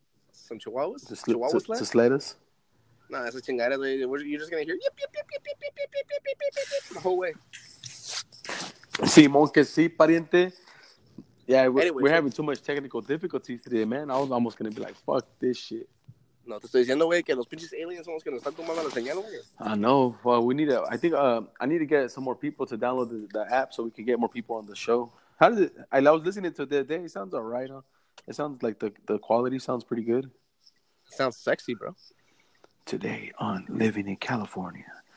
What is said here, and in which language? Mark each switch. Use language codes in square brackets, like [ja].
[en] Some chihuahuas? Chihuahua sled? To sled us. No, [es] that's a chingada. [en] You're just going to hear... Yip, yip, yip, yip, yip, yip, yip, yip, yip, yip, yip, yip, yip, the whole way. [es] Simón que sí, pariente. [en] Yeah, we're having too much technical difficulties today, man. I was almost going to be like, fuck this shit. [es] No, te estoy diciendo, güey, que los pinches aliens son los que nos están tomando la señal, güey. [en] I know. Well, we need to... I think I need to get some more people to download the app so we can get more people on the show. How did it... I was listening to it the other day. It sounds all right, huh? It sounds like the quality sounds pretty good. It sounds sexy, bro. Today on Living in California.